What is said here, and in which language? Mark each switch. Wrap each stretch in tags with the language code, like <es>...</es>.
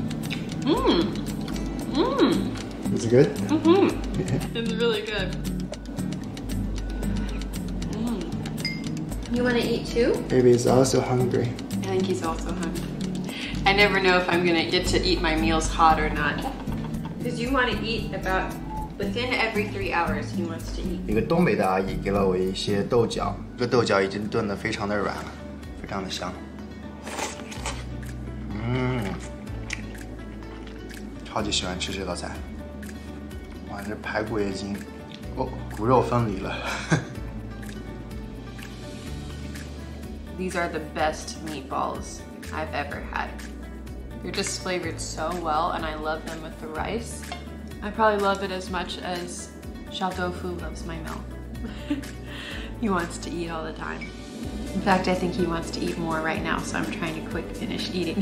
<en>Is it good? It's really good. You want to eat too? Baby is also hungry. I think he's also hungry. I never know if I'm going to get to eat my meals hot or not. Because you want to eat about... Within every 3 hours, he wants to eat.</en> <zh>一个东北的阿姨给了我一些豆角，这个豆角已经炖得非常的软了，非常的香。超级喜欢吃这道菜。哇，这排骨已经，哦，骨肉分离了。</zh> <en>These are the best meatballs I've ever had. They're just flavored so well, and I love them with the rice. I probably love it as much as Xiao Doufu loves my milk. He wants to eat all the time. In fact, I think he wants to eat more right now, so I'm trying to quick finish eating.</en>